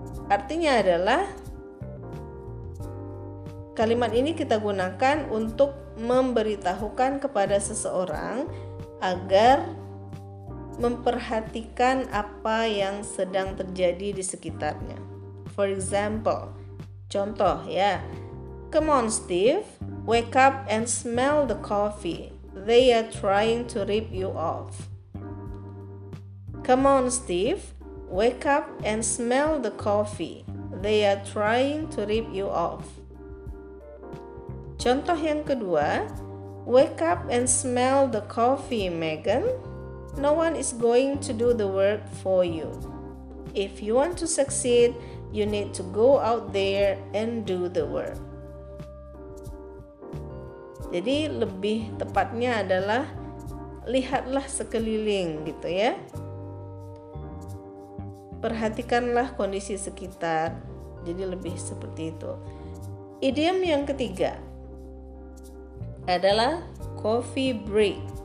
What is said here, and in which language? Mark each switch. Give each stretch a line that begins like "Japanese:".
Indonesian: Artinya adalah kalimat ini kita gunakan untuk memberitahukan kepada seseorang agar memperhatikan apa yang sedang terjadi di sekitarnya.
English: For example,
Indonesian: contoh ya.
English: Come on Steve, wake up and smell the coffee. They are trying to rip you off. Come on Steve, wake up and smell the coffee. They are trying to rip you off.
Indonesian: Contoh yang kedua,
English: wake up and smell the coffee, Megan. No one is going to do the work for you. If you want to succeed, you need to go out there and do the work.
Indonesian: Jadi lebih tepatnya adalah lihatlah sekeliling gitu ya. Perhatikanlah kondisi sekitar. Jadi lebih seperti itu. Idiom yang ketiga adalah coffee break.